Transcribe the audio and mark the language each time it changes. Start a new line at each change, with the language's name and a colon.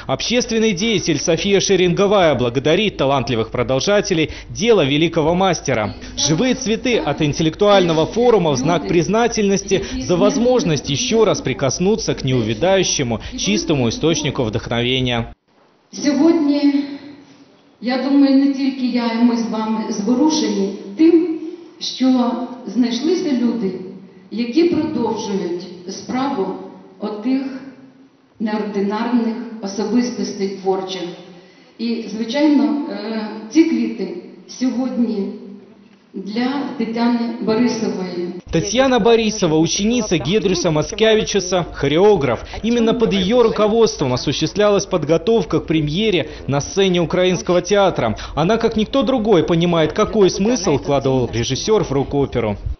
Russian: Общественный деятель София Шеринговая благодарит талантливых продолжателей дела великого мастера. Живые цветы от интеллектуального форума в знак признательности за возможность еще раз прикоснуться к неувядающему, чистому источнику вдохновения.
Ukrainian: Сьогодні, я думаю, не тільки я і ми з вами зворушені тим, що знайшлися люди, які продовжують справу отих неординарних особистостей творчих. І, звичайно, ці квіти сьогодні для Тетяни Борисової.
Russian: Татьяна Борисова – ученица Гедрюса Мацкевичуса, хореограф. Именно под ее руководством осуществлялась подготовка к премьере на сцене Украинского театра. Она, как никто другой, понимает, какой смысл вкладывал режиссер в рок-оперу.